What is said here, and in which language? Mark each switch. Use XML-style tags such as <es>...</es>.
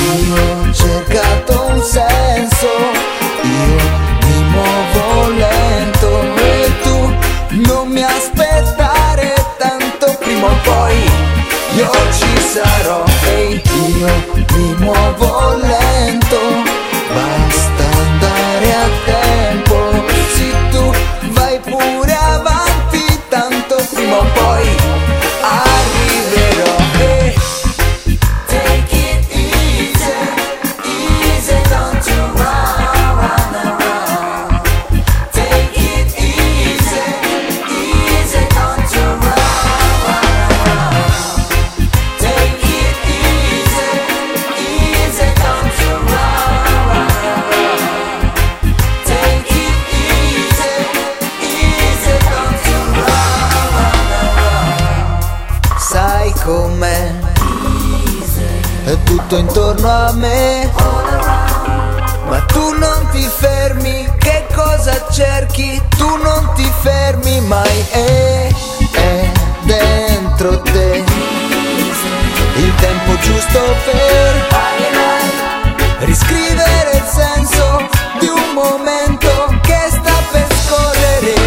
<it>Io ho cercato un senso, io mi muovo lento e tu non mi aspettare tanto, prima o poi io ci sarò. E io mi muovo lento, basta andare a tempo, se tu vai pure avanti tanto, prima o poi arriverò.</it> <en>E take it easy, easy, don't you run around. Take it easy, easy, don't you run around. Take it easy, easy, don't you run around. Take it easy, easy, don't you run around.</en> <it>Sai com'è? È tutto intorno a me, ma tu non ti fermi, che cosa cerchi? Tu non ti fermi mai, è dentro te il tempo giusto per riscrivere il senso di un momento che sta per scorrere.</it>